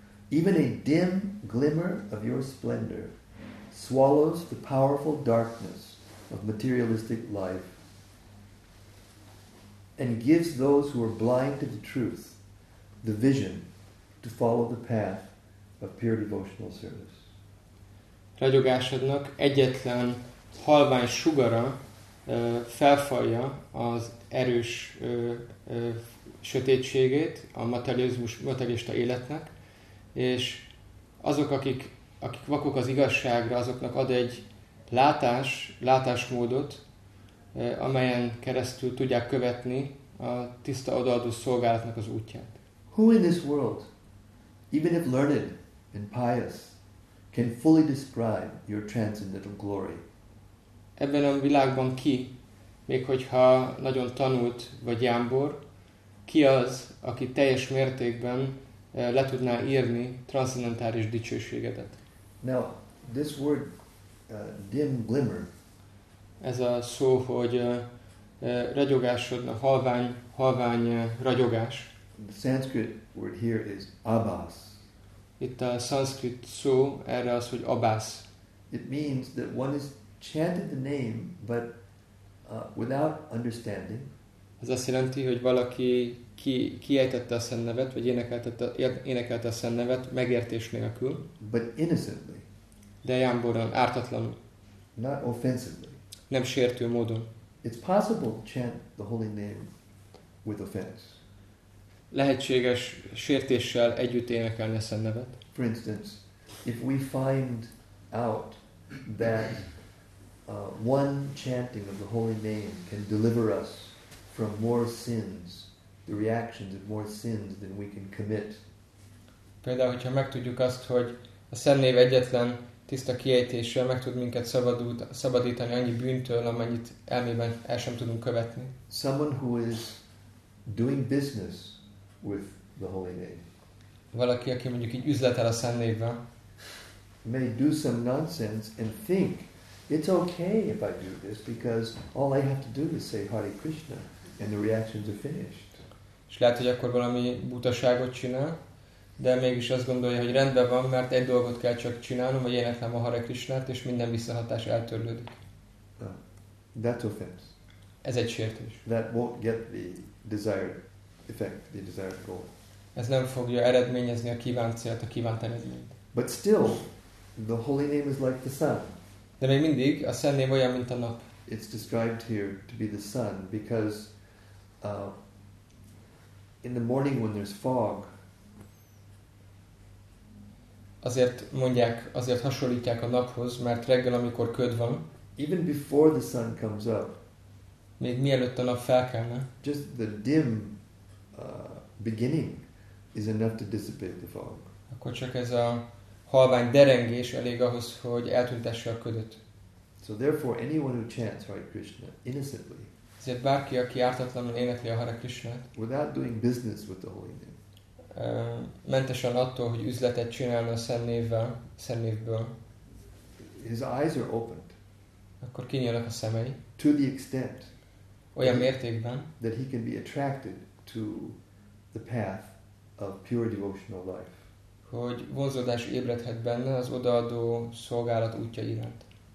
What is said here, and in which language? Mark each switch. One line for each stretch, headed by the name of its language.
English: Even a dim glimmer of your splendor swallows the powerful darkness of materialistic life and gives those who are blind to the truth the vision to follow the path of pure devotional service.
Hungarian: Ragyogásodnak egyetlen halvány sugara felfalja az erős sötétségét a materialista életnek, és azok, akik vakok az igazságra, azoknak ad egy látásmódot, amelyen keresztül tudják követni a tiszta odaadó szolgálatnak az útját.
English: Who in this world, even if learned and pious, can fully describe your transcendental glory?
Hungarian: Ebben a világban ki, még hogyha nagyon tanult vagy jámbor, ki az, aki teljes mértékben le tudná írni transzendentális dicsőségedet?
English: Now, this word, dim glimmer,
Hungarian: ez a szó, hogy ragyogásodna, halvány ragyogás.
English: The Sanskrit word here is abhas.
Hungarian: Itt a szanszkrit szó erre az, hogy abhas.
English: It means that one is chanted the name, but without understanding.
Hungarian: Ez azt jelenti, hogy valaki kiejtette a szent nevet, vagy énekelte a szent nevet megértés nélkül.
English: But innocently.
Hungarian: De jámboran, ártatlanul.
English: Not offensively.
Hungarian: Nem sértő módon.
English: It's possible to chant the holy name with offense.
Hungarian: Lehetséges sértéssel együtt énekelni a szent nevet.
English: For instance, if we find out that one chanting of the holy name can deliver us from more sins, the reactions of more sins than we can commit.
Hungarian: Például, hogyha megtudjuk azt, hogy a szent név egyetlen tiszta kiejtéssel meg tud minket szabadítani annyi bűntől, amennyit elmében el sem tudunk követni.
English: Someone who is doing business with the holy name.
Hungarian: Valaki, aki mondjuk így üzletel a szent névvel,
English: may do some nonsense and think it's okay if I do this because all I have to do is say Hare Krishna and the reactions are finished.
Hungarian: És lehet, hogy akkor valami butaságot csinál, de mégis azt gondolja, hogy rendben van, mert egy dolgot kell csak csinálnom, vagy éneklem a Hare Krishnát, és minden visszahatás eltörlődik.
English: That's offense.
Hungarian: Ez egy sértés.
English: That won't get the desired effect, the desired goal.
Hungarian: Ez nem fogja eredményezni a kívánt célt, a kívánt eredményt.
English: But still, the holy name is like the sun.
Hungarian: De még mindig a szent név olyan, mint a nap.
English: It's described here to be the sun because in the morning when there's fog.
Hungarian: Azért mondják, azért hasonlítják a naphoz, mert reggel, amikor köd van.
English: Even before the sun comes up.
Hungarian: Még mielőtt a nap felkelne.
English: Just the dim beginning is enough to dissipate the fog.
Hungarian: Akkor csak ez a halvány derengés elég ahhoz, hogy eltüntesse a ködöt.
English: So therefore anyone who chants Hare Krishna innocently.
Hungarian: Ezért bárki, aki ártatlanul énekli a Hare Krishnát.
English: Without doing business with the holy name.
Hungarian: Mentesen attól, hogy üzletet csinálna a szent névvel, szent névből.
English: His eyes are opened.
Hungarian: Akkor kinyílnak a szemei.
English: To the extent.
Hungarian: Olyan mértékben.
English: That he can be attracted to the path of pure devotional life.
Hungarian: Hogy vonzódás ébredhet benne az odaadó szolgálat útja iránt.